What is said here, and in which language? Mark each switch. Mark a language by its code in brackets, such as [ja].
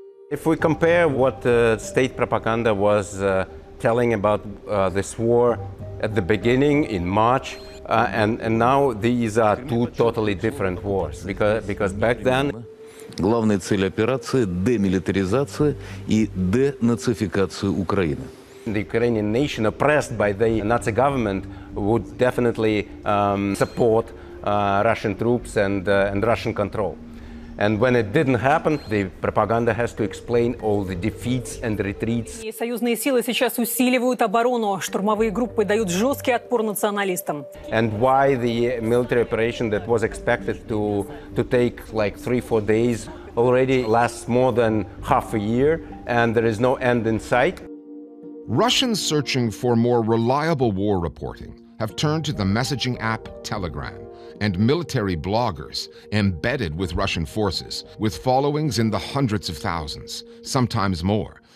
[en] If we compare what state propaganda was telling about this war at the beginning in March, and now these are two totally different wars, because back then, [ru] главная цель операции — демилитаризация и денацификация Украины. [en] The Ukrainian nation, oppressed by the Nazi government, would definitely support Russian troops and Russian control. And when it didn't happen, the propaganda has to explain all the defeats and retreats. [ru] И союзные силы сейчас усиливают оборону, штурмовые группы дают жесткий отпор националистам. [en] And why the military operation that was expected to take like 3-4 days already lasts more than half a year, and there is no end in sight. Russians searching for more reliable war reporting have turned to the messaging app Telegram and military bloggers embedded with Russian forces with followings in the hundreds of thousands, sometimes more.